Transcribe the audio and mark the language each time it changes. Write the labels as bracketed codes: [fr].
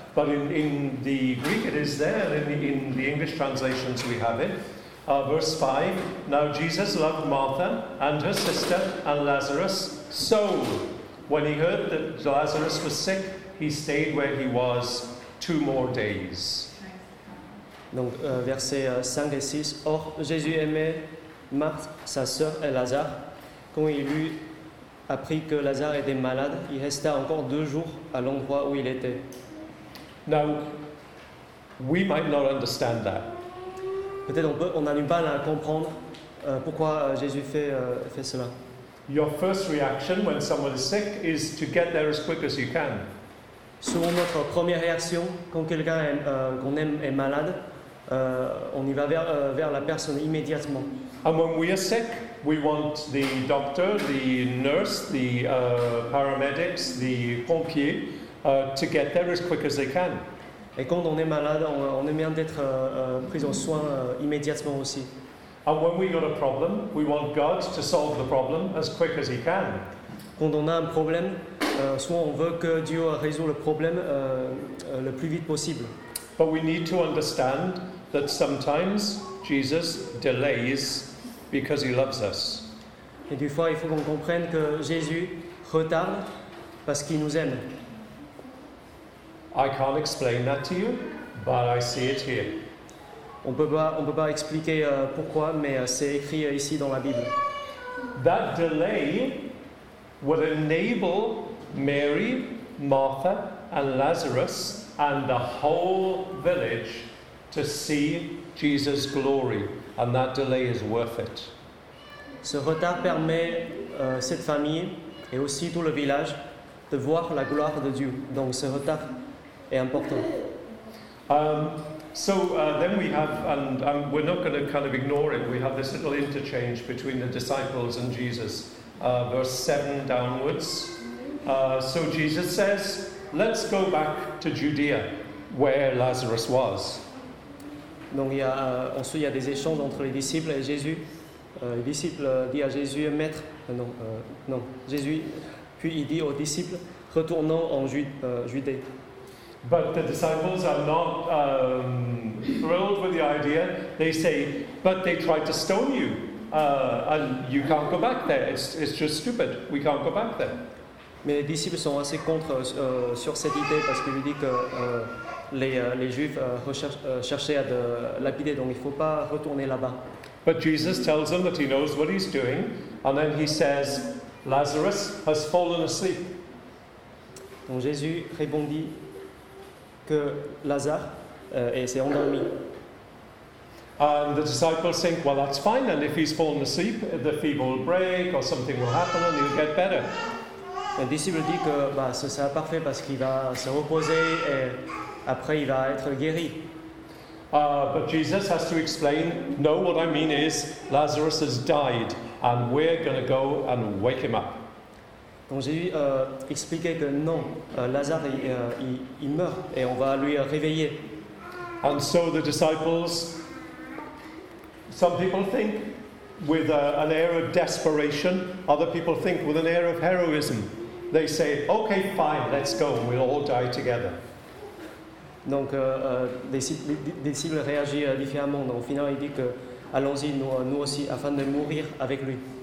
[en] But in the Greek it is there, in the English translations we have it. Verse 5, now Jesus loved Martha and her sister and Lazarus, so when he heard that Lazarus was sick, he stayed where he was two more days. [fr] Donc versets 5 et 6, or Jésus aimait Martha, sa sœur et Lazare. Quand il eut appris que Lazare était malade, il resta encore deux jours à l'endroit où il était. [en] Now, we might not understand that. [fr] Peut-être on a du mal à comprendre pourquoi Jésus fait cela. [en] Your first reaction when someone is sick is to get there as quick as you can. [fr] Souvent notre première réaction quand quelqu'un qu'on aime est malade, on y va vers la personne immédiatement. [en] And when we are sick, we want the doctor, the nurse, the paramedics, the pompier, to get there as quick as they can. [fr] Et quand on est malade, on aime bien d'être pris en soin immédiatement aussi. [en] And when we got a problem, we want God to solve the problem as quick as he can. [fr] Quand on a un problème, soit on veut que Dieu résout le problème le plus vite possible. [en] But we need to understand that sometimes Jesus delays because he loves us. [fr] Et des fois, il faut qu'on comprenne que Jésus retarde parce qu'il nous aime. [en] I can't explain that to you, but I see it here. [fr] On peut pas expliquer pourquoi, mais c'est écrit ici dans la Bible. [en] That delay would enable Mary, Martha, and Lazarus, and the whole village, to see Jesus' glory, and that delay is worth it. [fr] Ce retard permet cette famille et aussi tout le village de voir la gloire de Dieu. Donc ce retard est important. [en] Then we have, and we're not going to kind of ignore it. We have this little interchange between the disciples and Jesus, verse 7 downwards. So Jesus says, "Let's go back to Judea, where Lazarus was." [fr] Donc il y a ensuite il y a des échanges entre les disciples et Jésus. Les disciples disent à Jésus, maître, non, Jésus. Puis il dit aux disciples, retournons en Judée. [en] But the disciples are not thrilled with the idea. They say, but they tried to stone you, and you can't go back there. It's just stupid. We can't go back there. [fr] Mais les disciples sont assez contre sur cette idée parce qu'ils lui disent que les Juifs cherchaient à de lapider, donc il ne faut pas retourner là-bas. [en] But Jesus tells them that he knows what he's doing, and then he says, Lazarus has fallen asleep. [fr] Donc Jésus répondit que Lazare s'est endormi. [en] And the disciples think, well, that's fine, and if he's fallen asleep, the fever will break, or something will happen, and he'll get better. [fr] Les disciples disent que ce sera parfait parce qu'il va se reposer et après il va être guéri. [en] But Jesus has to explain, no, what I mean is Lazarus has died and we're going to go and wake him up. [fr] Donc Jésus expliquait que non, Lazare il meurt et on va lui réveiller. [en] And so the disciples, some people think with an air of desperation, other people think with an air of heroism. They say, okay, fine, let's go, and we'll all die together. [fr] Donc, les disciples réagissent différemment. Donc, au final, il dit que, allons-y, nous aussi, afin de mourir avec lui.